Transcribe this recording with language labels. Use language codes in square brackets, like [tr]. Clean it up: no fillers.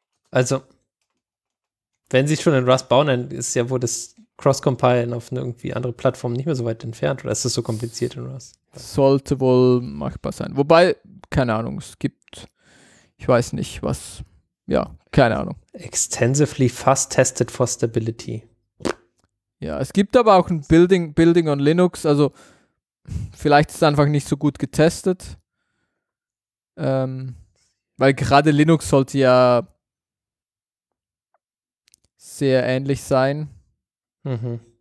[de] Also, wenn sie es schon in Rust bauen, dann ist ja wohl das Cross-Compilen auf eine irgendwie andere Plattform nicht mehr so weit entfernt, oder ist das so kompliziert in Rust? Sollte wohl machbar sein. Wobei, keine Ahnung, es gibt, ich weiß nicht, was, ja, keine Ahnung. [en] Extensively fast tested for stability. [de] Ja, es gibt aber auch ein Building on Linux, also vielleicht ist es einfach nicht so gut getestet. Weil gerade Linux sollte ja sehr ähnlich sein. Mhm.